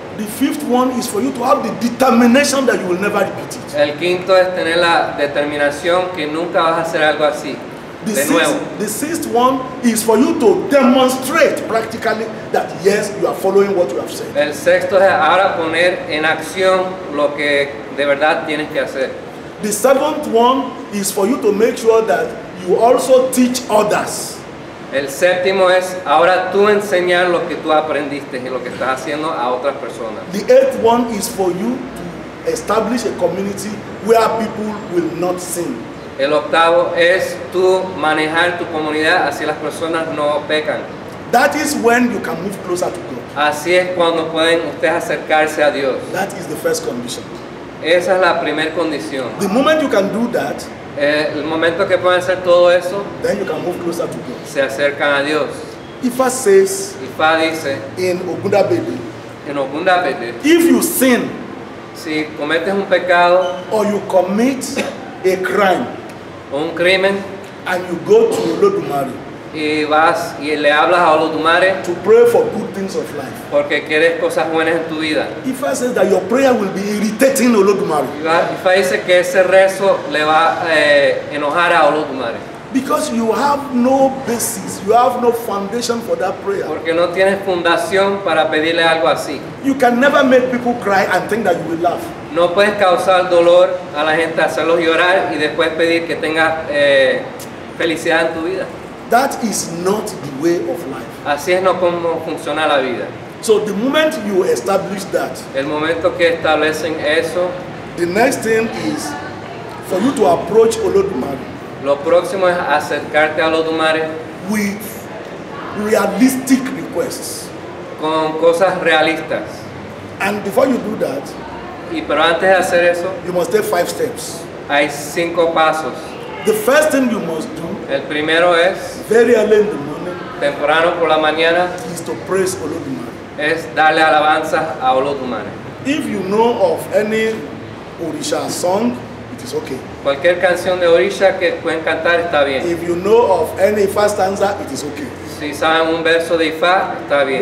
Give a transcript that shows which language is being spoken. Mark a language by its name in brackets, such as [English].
[English] The fifth one is for you to have the determination that you will never repeat it. [Spanish] El quinto es tener la determinación que nunca vas a hacer algo así. [English] The sixth one is for you to demonstrate practically that yes, you are following what you have said. [Spanish] El sexto es ahora poner en acción lo que de verdad tienes que hacer. [English] The seventh one is for you to make sure that you also teach others. [Spanish] El séptimo es ahora tú enseñar lo que tú aprendiste y lo que estás haciendo a otras personas. [English] The eighth one is for you to establish a community where people will not sin. [Spanish] El octavo es tú manejar tu comunidad así las personas no pecan. [English] That is when you can move closer to God. [Spanish] Así es cuando pueden ustedes acercarse a Dios. [English] That is the first condition. [Spanish] Esa es la primera condición. [English] The moment you can do that, [Spanish] el momento que pueden hacer todo eso, [English] then you can move closer to God. [Spanish] Se acercan a Dios. [English] Ifa says, [Spanish] Ifa dice, [English] in Ogunda Bebe, if you sin, [Spanish] si cometes un pecado, [English] or you commit a crime, [Spanish] un crimen, [English] and you go to Olodumare, [Spanish] y vas y le hablas a Olodumare, [English] to pray for good things of life, [Spanish] porque quieres cosas buenas en tu vida. [English] Ifa says that your prayer will be irritating Olodumare. [Spanish] Ifa dice que ese rezo le va enojar a Olodumare. [English] Because you have no basis, you have no foundation for that prayer. [Spanish] Porque no tienes fundación para pedirle algo así. [English] You can never make people cry and think that you will laugh. [Spanish] No puedes causar dolor a la gente, hacerlos llorar y después pedir que tenga felicidad en tu vida. [English] That is not the way of life. [Spanish] Así es no como funciona la vida. [English] So the moment you establish that, [Spanish] el momento que establecen eso, [English] the next thing is for you to approach Olodumare. [Spanish] Lo próximo es acercarte a Olodumare [English] with realistic requests. [Spanish] Con cosas realistas. [English] And before you do that, [Spanish] y pero antes de hacer eso, [English] you must take 5 steps. [Spanish] Hay 5 pasos. [English] The first thing you must do, [Spanish] el primero es, [English] very early in the morning, [Spanish] temprano por la mañana, [English] is to praise Olodumare. [Spanish] Es darle alabanza a Olodumare. [English] If you know of any Orisha song, it is okay. [Spanish] Cualquier canción de Orisha que pueden cantar está bien. [English] If you know of any Ifa stanza, it is okay. [Spanish] Si saben un verso de Ifa, está bien.